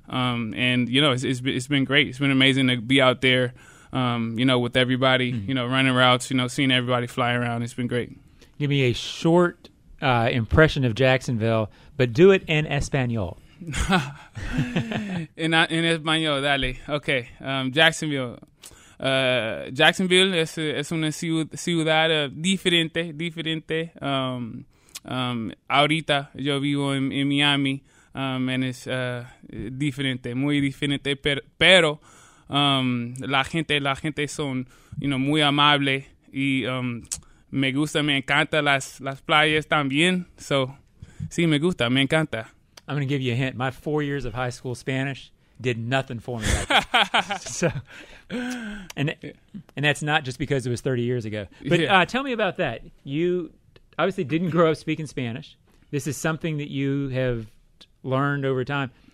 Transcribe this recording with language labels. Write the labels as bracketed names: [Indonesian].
[English] And, you know, it's been great. It's been amazing to be out there, you know, with everybody, you know, running routes, you know, seeing everybody fly around. It's been great. Give me a short impression of Jacksonville, but do it in Espanol. [Spanish] En Espanol, dale. Okay. Jacksonville. Jacksonville es una ciudad diferente. Ahorita yo vivo en Miami, [English] and it's [Spanish] diferente, muy diferente, pero la gente son, [English] you know, [Spanish] muy amable, y me gusta, me encanta las playas también. So, sí, me gusta, me encanta. [English] I'm going to give you a hint. My 4 years of high school Spanish did nothing for me. Like so, and that's not just because it was 30 years ago. But yeah. Tell me about that. You obviously didn't grow up speaking Spanish. This is something that you have learned over time.